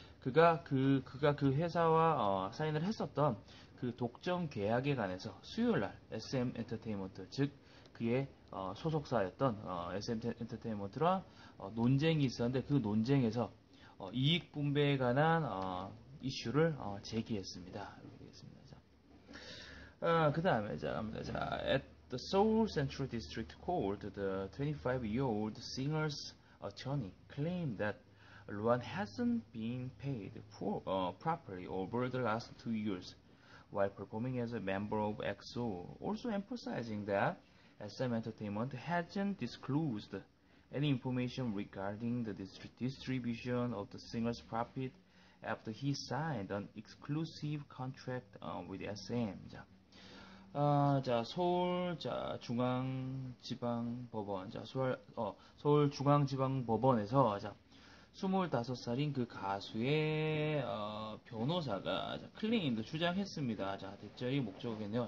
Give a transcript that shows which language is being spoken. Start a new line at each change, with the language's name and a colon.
Korean: 그가 그 회사와 사인을 했었던 그 독점 계약에 관해서 수요일날 SM 엔터테인먼트 즉 그의 소속사였던 SM 엔터테인먼트랑 논쟁이 있었는데 그 논쟁에서 이익 분배에 관한 이슈를 제기했습니다. 알겠습니다. 자. 그 다음에 자 갑니다.
English: 자, at the Seoul Central District Court, the 25-year-old singer's attorney claimed that Luan hasn't been paid properly over the last 2 years. While performing as a member of EXO, also emphasizing that SM Entertainment hasn't disclosed any information regarding the distribution of the singer's profit after he signed an exclusive contract with SM.
Korean: 자, 자 서울 자 중앙지방법원 자 서울 서울 중앙지방법원에서 자 25살인 그 가수의 변호사가 자, 클레임도 주장했습니다. 자, 대체 이 목적이겠네요.